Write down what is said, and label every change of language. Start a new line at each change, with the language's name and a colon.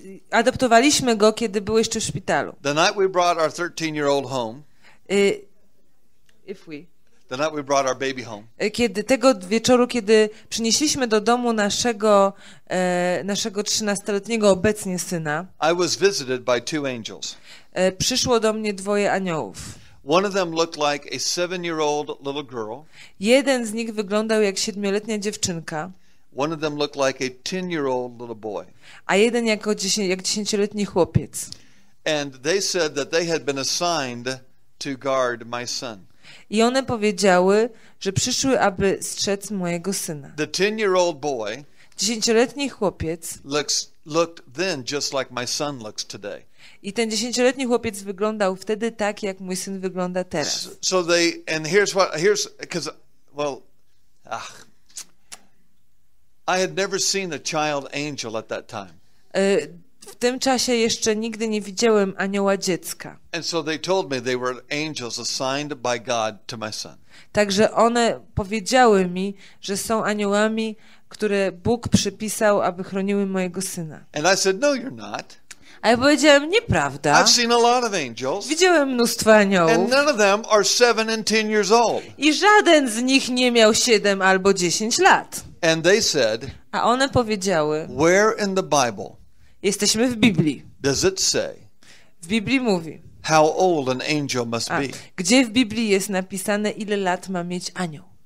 Polish: Adoptowaliśmy go, kiedy był jeszcze w szpitalu.
English: The night we brought our 13-year-old home. The night we brought our baby home.
Polish: Kiedy tego wieczoru, kiedy przynieśliśmy do domu naszego 13-letniego obecnie syna.
English: I was visited by two angels.
Polish: Przyszło do mnie dwoje aniołów.
English: One of them looked like a 7-year-old little girl.
Polish: Jeden z nich wyglądał jak 7-letnia dziewczynka.
English: One of them looked like a 10-year-old little boy.
Polish: A jeden jak 10-letni chłopiec.
English: And they said that they had been assigned to guard my son.
Polish: I one powiedziały, że przyszły, aby strzec mojego syna.
English: The 10-year-old boy.
Polish: 10-letni chłopiec.
English: Looked then just like my son looks today.
Polish: I ten 10-letni chłopiec wyglądał wtedy tak, jak mój syn wygląda teraz.
English: So they, and here's what, here's, because, well, ach, I had never seen a child angel at that time.
Polish: W tym czasie jeszcze nigdy nie widziałem anioła dziecka.
English: And so they told me they were angels assigned by God to my son.
Polish: Także one powiedziały mi, że są aniołami, które Bóg przypisał, aby chroniły mojego syna.
English: And I said, no, you're not.
Polish: A ja powiedziałem, nieprawda.
English: I've seen a lot of angels,
Polish: widziałem mnóstwo aniołów.
English: And none of them are 7 and 10 years old.
Polish: I żaden z nich nie miał 7 albo 10 lat.
English: And they said,
Polish: a one powiedziały,
English: where in the Bible,
Polish: jesteśmy w Biblii.
English: Does it say,
Polish: w Biblii mówi,
English: how old an angel must be.
Polish: Gdzie w Biblii jest napisane, ile lat ma mieć anioł?